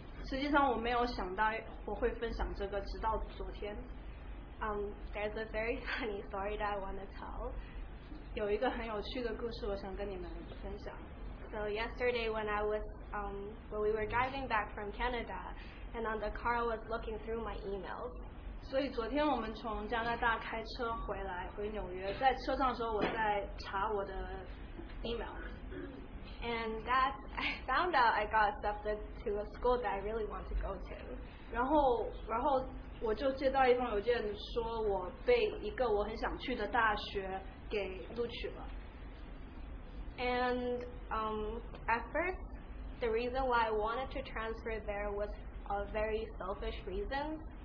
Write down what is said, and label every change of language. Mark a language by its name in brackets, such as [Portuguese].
[Chinese] 实际上我没有想到我会分享这个，直到昨天。 [English] There's a very funny story that I want to tell. [Chinese] 有一个很有趣的故事我想跟你们分享。 [English] So yesterday when I was when we were driving back from Canada. And on the car, I was looking through my emails. [Chinese] 所以昨天我们从加拿大开车回来，回纽约，在车上的时候，我在查我的 email. [English] And that I found out I got accepted to a school that I really want to go to. [Chinese] 然后我就接到一封邮件，说我被一个我很想去的大学给录取了。 [English] And at first, the reason why I wanted to transfer there was a very selfish reason.